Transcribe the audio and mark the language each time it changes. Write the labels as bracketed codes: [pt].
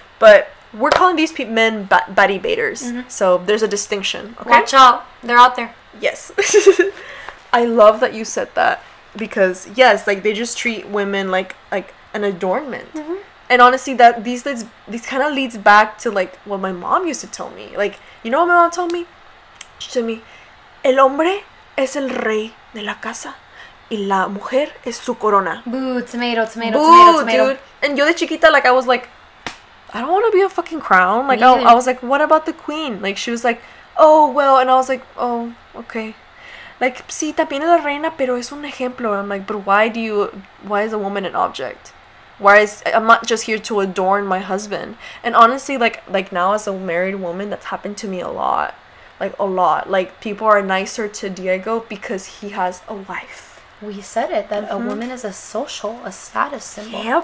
[en] But we're calling these men baddie baiters. Mm-hmm. So there's a distinction, okay? Watch out. They're out there. Yes. I love that you said that. Because, yes, like, they just treat women like an adornment. Mm-hmm. And honestly, that these kind of leads back to, like, what my mom used to tell me. Like, you know what my mom told me? She told me, [es] "El hombre es el rey de la casa y la mujer es su corona." Boo, tomato, tomato, boo, tomato, tomato. Dude. [en] And [es] yo de chiquita, [en] like, I was like, I don't want to be a fucking crown. Like, I was like, what about the queen? Like, she was like, "Oh, well." And I was like, "Oh, okay." [es] Like, sí, también la reina, pero es un ejemplo. [en] And I'm like, but why is a woman an object? Whereas I'm not just here to adorn my husband. And honestly, like now as a married woman, that's happened to me a lot. Like, people are nicer to Diego because he has a wife. We said it, that mm-hmm. a woman is a status symbol.